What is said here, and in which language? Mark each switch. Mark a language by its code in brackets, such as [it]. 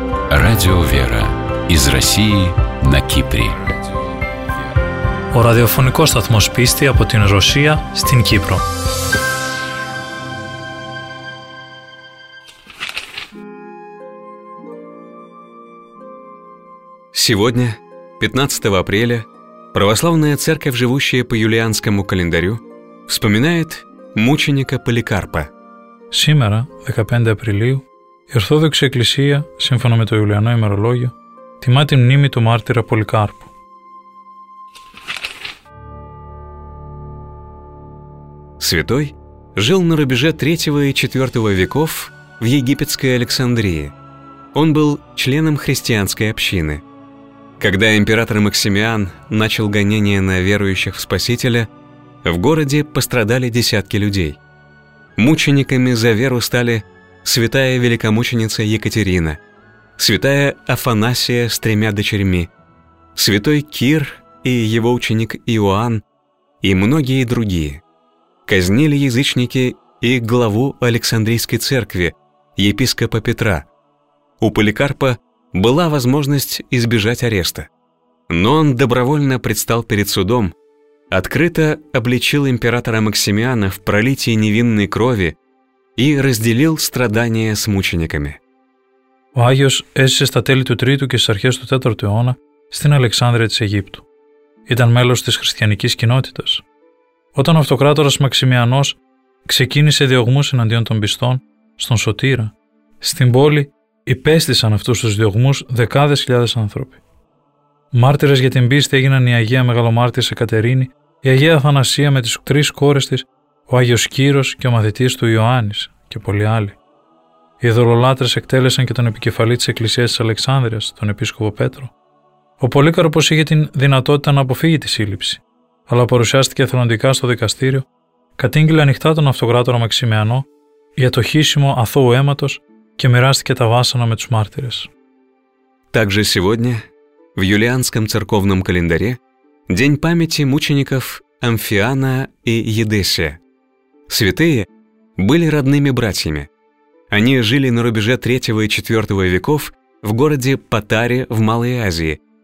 [ru] Радио «Вера» из России на Кипре. [el] Ο ραδιοφωνικός σταθμός πίστη από την Ρωσία στην Κύπρο. [ru] Сегодня, 15 апреля, православная церковь, живущая по юлианскому календарю, вспоминает мученика Поликарпа. Сегодня, 15 апреля, [el] η Ορθόδοξη Εκκλησία, σύμφωνα με το Ιουλιανό ημερολόγιο, τιμά την μνήμη του μάρτυρα Πολυκάρπου. [ru] Святой жил на рубеже 3 и 4 веков в египетской Александрии. Он был членом христианской общины. Когда император Максимиан начал гонения на верующих в Спасителя, в городе пострадали десятки людей. Мучениками за веру стали святая великомученица Екатерина, святая Афанасия с тремя дочерьми, святой Кир и его ученик Иоанн и многие другие. Казнили язычники и главу Александрийской церкви, епископа Петра. У Поликарпа была возможность избежать ареста. Но он добровольно предстал перед судом, открыто обличил императора Максимиана в пролитии невинной крови и разделил страдания с мучениками. [el] Ο Άγιος έζησε στα τέλη του 3ου και στις αρχές του 4ου αιώνα στην Αλεξάνδρεια της Αιγύπτου. Ήταν μέλος της χριστιανικής κοινότητας. Όταν ο αυτοκράτορας Μαξιμιανός ξεκίνησε διωγμούς εναντίον των πιστών στον Σωτήρα, στην πόλη υπέστησαν αυτούς τους διωγμούς δεκάδες χιλιάδες άνθρωποι. Μάρτυρες για την πίστη έγιναν η Αγία Μεγαλομάρτυρες Εκατερίνη, η Αγία Αθανασία με τις τρεις κόρες της, ο Άγιος Κύρος και ο μαθητής του Ιωάννης και πολλοί άλλοι. Οι ειδωλολάτρες εκτέλεσαν και τον επικεφαλή της Εκκλησίας της Αλεξάνδρειας, τον Επίσκοπο Πέτρο. Ο Πολύκαρπος είχε την δυνατότητα να αποφύγει τη σύλληψη, αλλά παρουσιάστηκε εθελοντικά στο δικαστήριο, κατήγγειλε ανοιχτά τον αυτοκράτορα Μαξιμιανό για το χύσιμο αθώου αίματος και μοιράστηκε τα βάσανα με τους μάρτυρες. [ru] Также сегодня, в юлианском церковном календаре, день памяти мучеников Амфиана и Едесия. Святые были родными братьями. Они жили на рубеже 3 и 4 веков в городе Патаре в Малой Азии.